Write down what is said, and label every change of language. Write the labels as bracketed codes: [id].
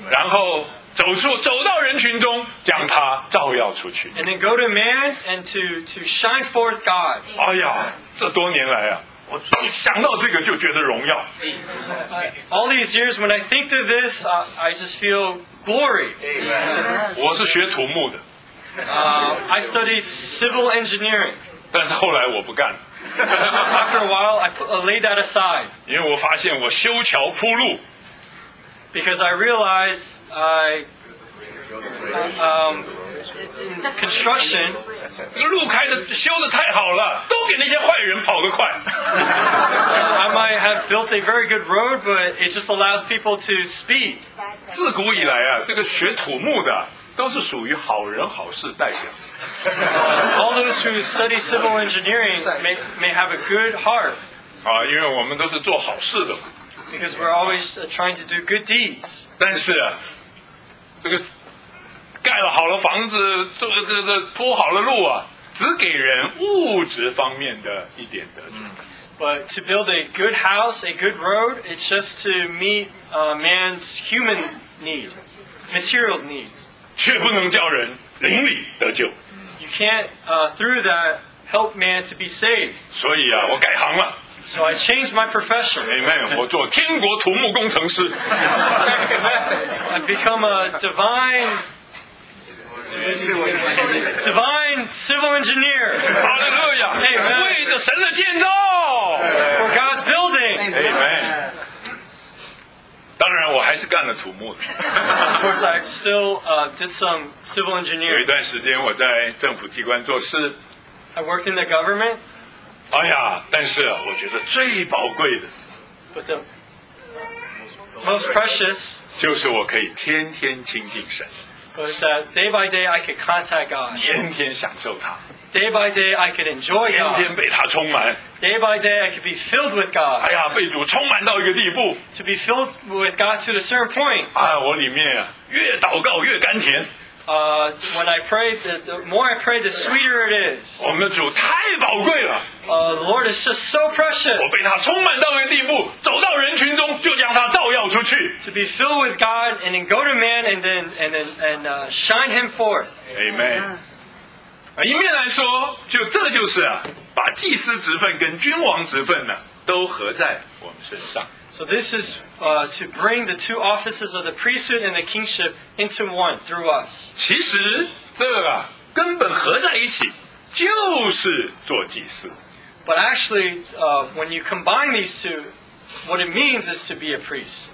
[zh] 然后走到人群中，将他照耀出去。 [en] And then go to man and to shine forth God. [zh] 哎呀，这多年来啊，我想到这个就觉得荣耀。 [en] All these years, when I think of this, I just feel glory. [zh] 我是学土木的。 [en] I studied civil engineering. [zh] 但是后来我不干。 [en] After a while, I laid that aside. [zh] 因为我发现我修桥铺路。 [en] Because I realized construction. [zh] 路开的修的太好了，都给那些坏人跑得快。 [en] I might have built a very good road, but it just allows people to speed. [zh] 自古以来啊，这个学土木的。都是属于好人好事代表。 [en] All those who study civil engineering may have a good heart. [zh] 啊，因为我们都是做好事的。 [en] Because we're always trying to do good deeds. [zh] 但是，这个盖了好了房子，这铺好了路啊，只给人物质方面的一点得着。 [en] But to build a good house, a good road, it's just to meet a man's human need, material needs. [zh] 却不能叫人灵里得救。 [en] You can't through that help man to be saved. [zh] 所以啊，我改行了。 [en] So I changed my profession. [zh] Amen. 我做天国土木工程师。 [en] I become a divine civil engineer. Hallelujah. Amen. [zh] 为着神的建造。 [en] For God's building. Amen. [zh] 当然，我还是干了土木的。 [en] Of course, I still did some civil engineering. [zh] 有一段时间我在政府机关做事。 [en] I worked in the government. [zh] 哎呀，但是我觉得最宝贵的 [en] ，but the most precious [zh] 就是我可以天天亲近神。 [en] But that day by day I could contact God. [zh] 天天享受他。 [en] Day by day I could enjoy God. [zh] 天天被他充满。 [en] Day by day, I could be filled with God. [zh] 哎呀，被主充满到一个地步。 [en] To be filled with God to a certain point. [zh] 哎，我里面越祷告越甘甜。 [en] When I pray, the more I pray, the sweeter it is. [zh] 我们的主太宝贵了。 [en] The Lord is just so precious. [zh] 我被他充满到一个地步，走到人群中就将他照耀出去。 [en] To be filled with God and then go to man and then shine Him forth. [zh] Amen. 一面来说，就这就是啊。把祭司职分跟君王职分呢，都合在我们身上。 [en] So this is to bring the two offices of the priesthood and the kingship into one through us. [zh] 其实这个啊，根本合在一起，就是做祭司。 [en] But actually, when you combine these two, what it means is to be a priest.